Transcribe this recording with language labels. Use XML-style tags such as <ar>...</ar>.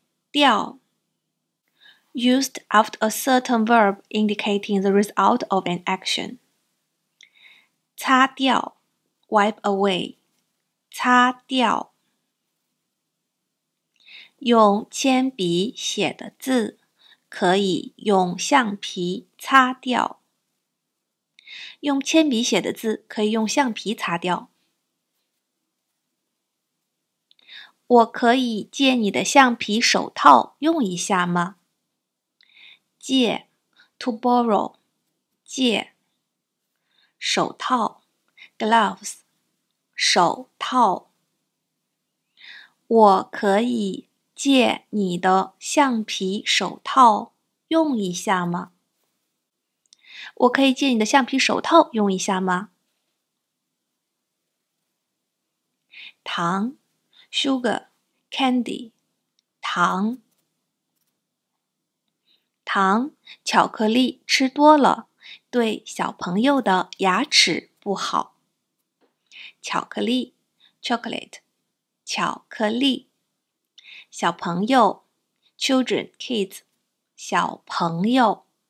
<zh>掉</zh> <en>used after a certain verb indicating the result of an action.</en> <zh>擦掉</zh> <en>wipe away.</en> <zh>擦掉用铅笔写的字可以用橡皮擦掉。用铅笔写的字可以用橡皮擦掉。我可以借你的橡皮手套用一下吗？借</zh> <en>to borrow，</en> <zh>借手套</zh> <en>gloves，</en> <zh>手套。我可以借你的橡皮手套用一下吗？我可以借你的橡皮手套用一下吗？糖</zh> <en>sugar， candy，</en> <zh>糖。糖、巧克力吃多了，对小朋友的牙齿不好。巧克力 ,</zh> <en>chocolate,</en> <zh>巧克力。小朋友 ,</zh> <en>children, kids,</en> <zh>小朋友。</zh>